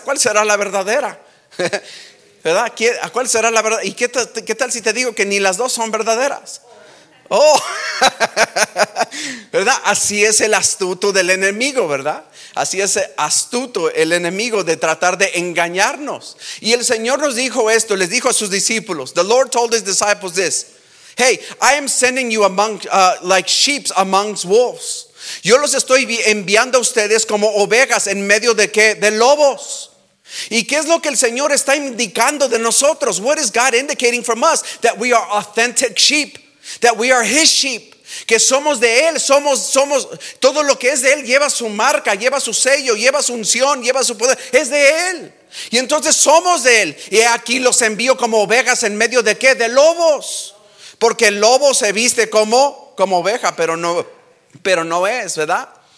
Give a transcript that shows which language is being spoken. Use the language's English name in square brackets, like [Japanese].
[Spanish] ¿Cuál será la verdadera? ¿Verdad? ¿A cuál será la verdad? ¿Y qué tal si te digo que ni las dos son verdaderas? ¡Oh! ¿Verdad? Así es el astuto del enemigo, ¿verdad? Así es astuto el enemigo de tratar de engañarnos. Y el Señor nos dijo esto, les dijo a sus discípulos. [English] The Lord told his disciples this: "Hey, I am sending you among like sheep amongst wolves." [Spanish] Yo los estoy enviando a ustedes como ovejas en medio de ¿qué? De lobos. ¿Y qué es lo que el Señor está indicando de nosotros? [English] What is God indicating from us? That we are authentic sheep, that we are his sheep. [Spanish] Que somos de él, somos todo lo que es de él, lleva su marca, lleva su sello, lleva su unción, lleva su poder, es de él. Y entonces somos de él. Y aquí los envío como ovejas en medio de ¿qué? De lobos. Porque el lobo se viste como oveja, pero no es, ¿verdad?